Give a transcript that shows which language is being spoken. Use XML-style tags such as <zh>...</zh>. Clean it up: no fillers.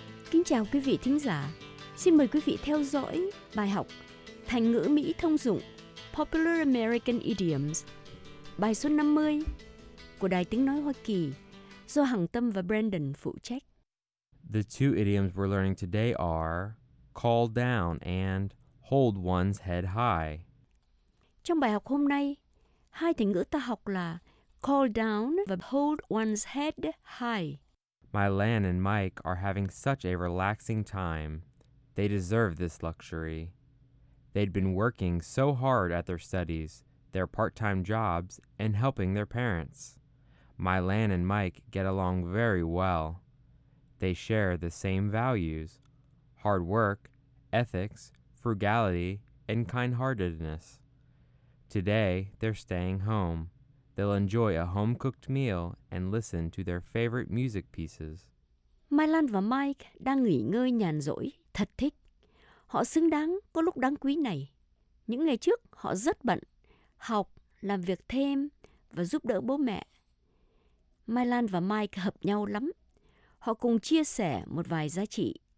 <vi>Kính chào quý vị thính giả. Xin mời quý vị theo dõi bài học thành ngữ Mỹ thông dụng</vi> <en>Popular American Idioms,</en> <vi>bài số 50 của Đài Tiếng Nói Hoa Kỳ do Hằng Tâm và Brandon phụ trách.</vi> <en>The two idioms we're learning today are call down and hold one's head high.</en> <vi>Trong bài học hôm nay, hai thành ngữ ta học là</vi> <en>call down</en> <vi>và</vi> <en>hold one's head high. My Lan and Mike are having such a relaxing time. They deserve this luxury. They'd been working so hard at their studies, their part-time jobs, and helping their parents. My Lan and Mike get along very well. They share the same values: hard work, ethics, frugality, and kind-heartedness. Today, they're staying home. They'll enjoy a home-cooked meal and listen to their favorite music pieces.</en> <vi>My Lan và Mike đang nghỉ ngơi nhàn rỗi, thật thích. Họ xứng đáng có lúc đáng quý này. Những ngày trước, họ rất bận, học, làm việc thêm và giúp đỡ bố mẹ. My Lan và Mike hợp nhau lắm. Họ cùng chia sẻ một vài giá trị.</vi>